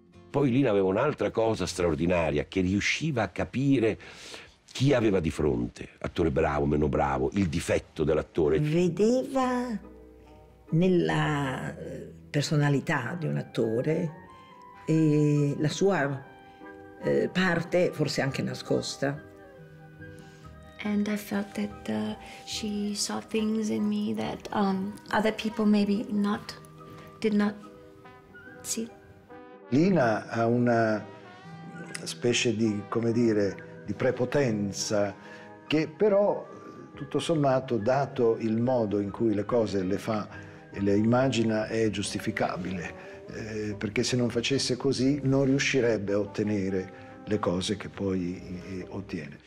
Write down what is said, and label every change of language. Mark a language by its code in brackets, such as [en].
[it] Poi Lina aveva un'altra cosa straordinaria, che riusciva a capire chi aveva di fronte, attore bravo, meno bravo, il difetto dell'attore. Vedeva nella personalità di un attore e la sua parte, forse anche nascosta. [en] And I felt that she saw things in me that other people maybe not did not see. [it] Lina ha una specie di, come dire, di prepotenza che però, tutto sommato, dato il modo in cui le cose le fa e le immagina, è giustificabile, perché se non facesse così non riuscirebbe a ottenere le cose che poi ottiene.